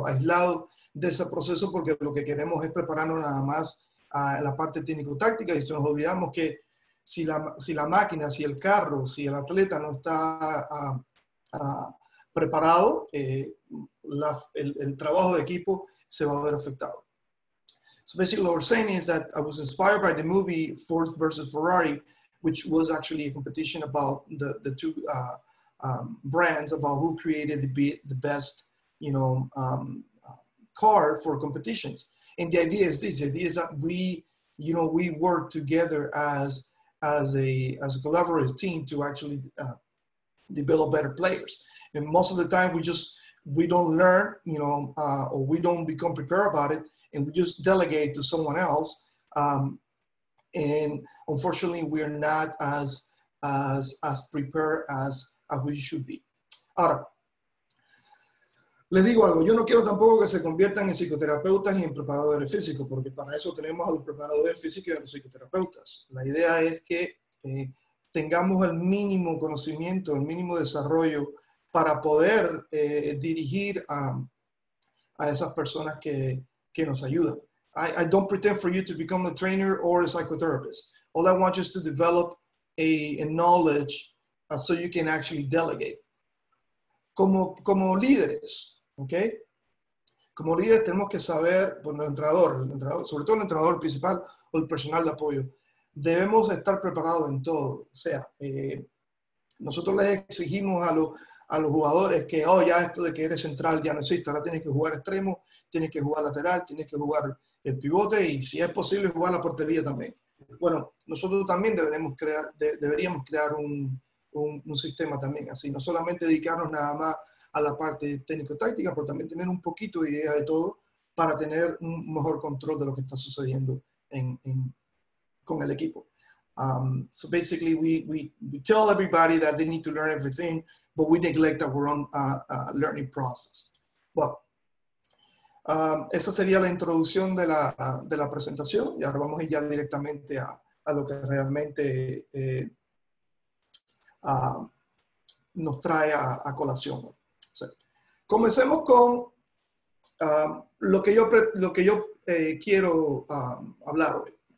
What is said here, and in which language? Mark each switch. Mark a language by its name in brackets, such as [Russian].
[Spanish] Aislado de ese proceso, porque lo que queremos es prepararnos nada más a la parte técnico-táctica, y nos olvidamos que si la máquina, si el carro, si el atleta no está preparado, el trabajo de equipo se va a ver afectado. [English] So basically what we're saying is that I was inspired by the movie Ford versus Ferrari, which was actually a competition about the two brands, about who created the best, you know, car for competitions. And the idea is this: the idea is that we work together as a collaborative team to actually develop better players. And most of the time, we don't learn, you know, or we don't become prepared about it, and we just delegate to someone else. And unfortunately, we are not as prepared as we should be. [Spanish] Ahora, les digo algo. Yo no quiero tampoco que se conviertan en psicoterapeutas y en preparadores físicos, porque para eso tenemos a los preparadores físicos y a los psicoterapeutas. La idea es que tengamos el mínimo conocimiento, el mínimo desarrollo para poder dirigir a esas personas que nos ayudan. [English] I don't pretend for you to become a trainer or a psychotherapist. All I want you is to develop a knowledge so you can actually delegate. [Spanish] Como líderes, ¿ok? Como líderes tenemos que saber, bueno, el entrenador, sobre todo el entrenador principal o el personal de apoyo, debemos estar preparados en todo. O sea, nosotros les exigimos a los jugadores que, oh, ya esto de que eres central ya no existe, ahora tienes que jugar extremo, tienes que jugar lateral, tienes que jugar el pivote y, si es posible, jugar la portería también. Bueno, nosotros también deberíamos crear un sistema también así, no solamente dedicarnos nada más a la parte técnico-táctica, pero también tener un poquito de idea de todo para tener un mejor control de lo que está sucediendo con el equipo. [English] So basically we tell everybody that they need to learn everything, but we neglect our own learning process. [Spanish] Well, esa sería la introducción de la presentación, y ahora vamos a ir ya directamente a lo que realmente nos trae a colación. So, comencemos con lo que yo quiero hablar hoy.